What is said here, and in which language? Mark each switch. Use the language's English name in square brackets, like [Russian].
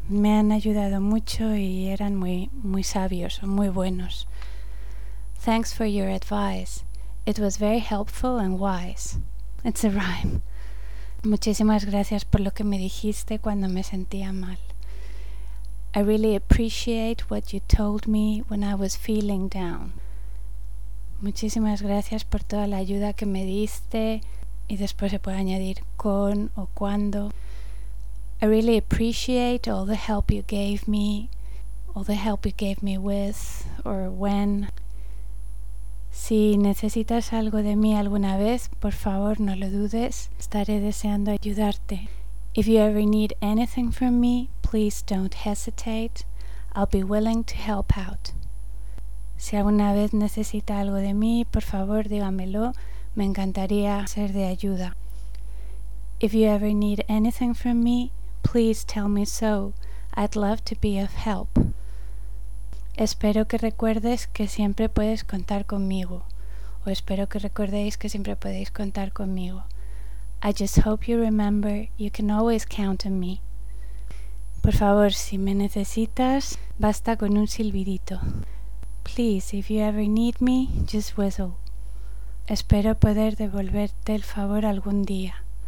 [Spanish] Me han ayudado mucho y eran muy, muy sabios o muy buenos. [English] Thanks for your advice. It was very helpful and wise. It's a rhyme. [Spanish] Muchísimas gracias por lo que me dijiste cuando me sentía mal. [English] I really appreciate what you told me when I was feeling down. [Spanish] Muchísimas gracias por toda la ayuda que me diste. Y después se puede añadir con o cuando. [English] I really appreciate all the help you gave me. All the help you gave me with or when. [Spanish] Si necesitas algo de mí alguna vez, por favor, no lo dudes. Estaré deseando ayudarte. [English] If you ever need anything from me, please don't hesitate. I'll be willing to help out. [Spanish] Si alguna vez necesita algo de mí, por favor, dígamelo. Me encantaría ser de ayuda. [English] If you ever need anything from me, please tell me so. I'd love to be of help. [Spanish] Espero que recuerdes que siempre puedes contar conmigo. O espero que recordéis que siempre podéis contar conmigo. [English] I just hope you remember you can always count on me. [Spanish] Por favor, si me necesitas, basta con un silbidito. [English] Please, if you ever need me, just whistle. [Spanish] Espero poder devolverte el favor algún día.